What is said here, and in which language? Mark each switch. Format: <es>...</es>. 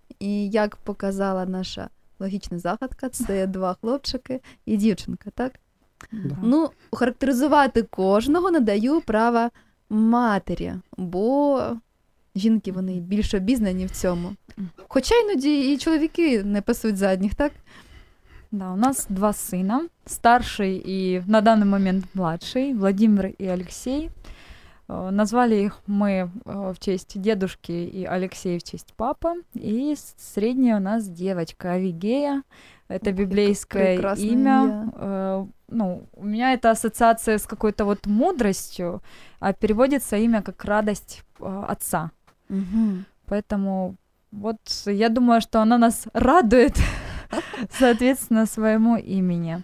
<uk>І як показала наша логічна загадка, це два хлопчики і дівчинка, так? Да. Ну, характеризувати кожного надаю право матері, бо жінки, вони більш обізнані в цьому. Хоча іноді і чоловіки не пасуть задніх, так? Да, у нас два сина, старший і на даний момент младший, Владимир і Алексей. Назвали їх ми</uk> <ru>в честь дедушки</ru> <uk>і Алексея в честь папи. І середня у нас дівчинка Авігея.</uk> <ru>Это библейское имя. Ну, у меня это ассоциация с какой-то вот мудростью, а переводится имя как радость отца. Угу. Поэтому вот я думаю, что она нас радует, соответственно, своему имени.</ru>